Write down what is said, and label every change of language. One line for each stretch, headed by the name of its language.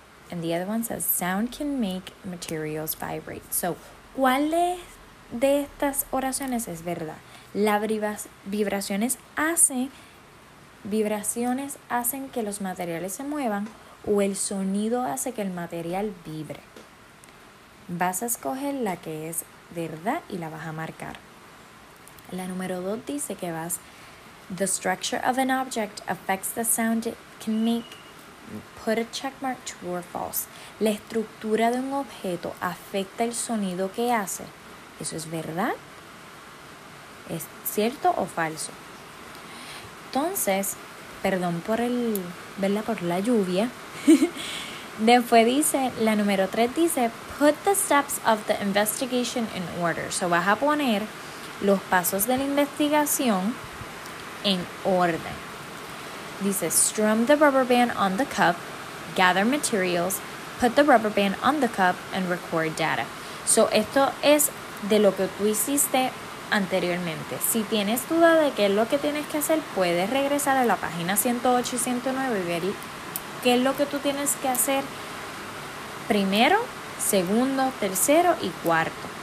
English: And the other one says, sound can make materials vibrate.
Spanish: So, ¿cuál de estas oraciones es verdad? Vibraciones hacen que los materiales se muevan, o el sonido hace que el material vibre. Vas a escoger la que es verdad y la vas a marcar. La número 2 dice que vas,
English: the structure of an object affects the sound it can make. Put a check mark, true or false.
Spanish: La estructura de un objeto afecta el sonido que hace. ¿Eso es verdad? ¿Es cierto o falso? Entonces, perdón por el, ¿verdad? Por la lluvia. Después dice, la número 3 dice,
English: put the steps of the investigation in order.
Spanish: So vas a poner los pasos de la investigación en orden.
English: Dice, strum the rubber band on the cup, gather materials, put the rubber band on the cup, and record data.
Spanish: So, esto es de lo que tú hiciste anteriormente. Si tienes duda de qué es lo que tienes que hacer, puedes regresar a la página 108 y 109 y ver qué es lo que tú tienes que hacer primero, segundo, tercero y cuarto.